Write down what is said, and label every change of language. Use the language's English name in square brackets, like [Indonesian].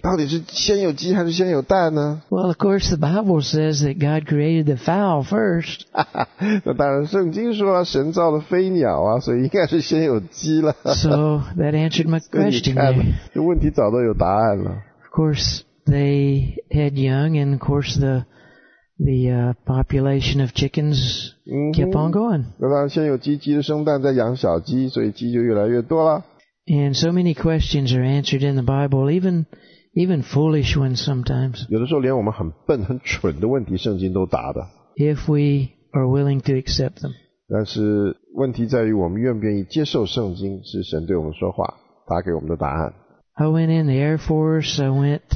[Chinese] 到底是先有鸡还是先有蛋呢？ [English] Well, of course, the Bible says that God created the fowl first. [Chinese] 那当然圣经说啊，神造了飞鸟啊，所以应该是先有鸡了。 [English] So that answered my question. [Chinese] 所以你看，这问题早都有答案了。 [English] Of course, they had young, and of course the population of chickens kept on going. [Chinese] 那当然先有鸡，鸡生蛋再养小鸡，所以鸡就越来越多了。 [English] And so many questions are answered in the Bible, even foolish ones sometimes. [Chinese] 有的时候连我们很笨很蠢的问题圣经都答的。 [English] If we are willing to accept them. [Chinese] 但是问题在于我们愿不愿意接受圣经是神对我们说话答给我们的答案。 [English] I went in the Air Force, I went to...